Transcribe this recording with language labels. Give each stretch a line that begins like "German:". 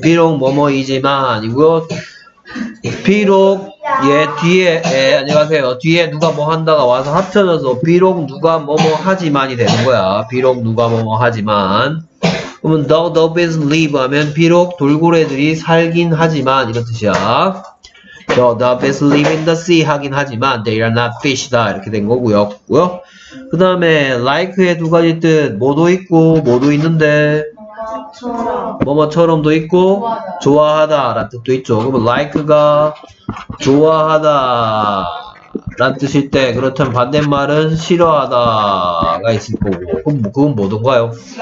Korean: 비록 뭐뭐이지만, 이거, 비록, 예, 뒤에, 예, 안녕하세요. 뒤에 누가 뭐 한다가 와서 합쳐져서, 비록 누가 뭐뭐 하지만이 되는 거야. 비록 누가 뭐뭐 하지만. 그러면,
English: the dolphins live
Korean: 하면, 비록 돌고래들이 살긴 하지만, 이런 뜻이야.
English: The dolphins live in the sea
Korean: 하긴 하지만,
English: they are not fish다.
Korean: 이렇게 된 거고요. 그 다음에, like의 두 가지 뜻, 뭐도 있고, 뭐도 있는데, 뭐뭐처럼도 있고 좋아하다 라는 뜻도 있죠. 그러면 like가 좋아하다 라는 뜻일 때 그렇다면 반대말은 싫어하다 가 있을 거고 그건 뭐든가요?